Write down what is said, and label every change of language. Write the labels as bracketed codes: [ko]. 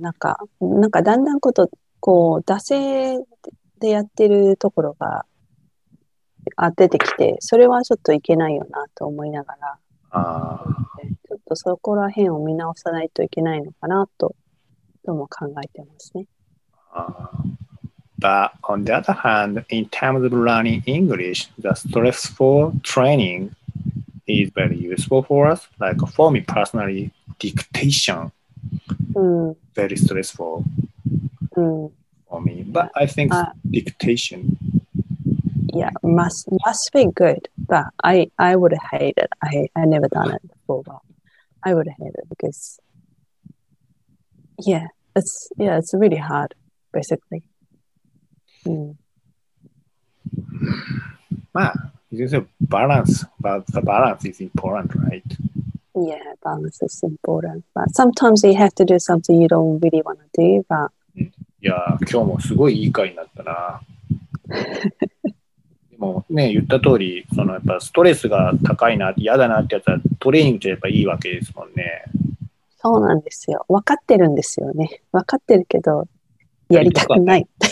[ja] なんかだんだんことこう惰性でやってるところが出てきて、それはちょっといけないよなと思いながら、ちょっとそこら辺を見直さないといけないのかなとも考えてますね。 [en] But on the other hand, in terms of learning English, the stressful training is very useful for us. Like for me personally, dictation, very stressful for me. But I think dictation. Yeah, must be good. But I would hate it. I never done it before. But I would hate it because, it's really hard, basically. [ja] まあ、先生、 [en] バランス is important, right? Yeah, balance is important. But sometimes you have to do something you don't really want to do, but... [ja] いや、今日もすごいいい回になったな。でもね、言った通り、そのやっぱストレスが高いな、嫌だなってやったらトレーニングじゃやっぱいいわけですもんね。そうなんですよ。分かってるんですよね。分かってるけど、やりたくない。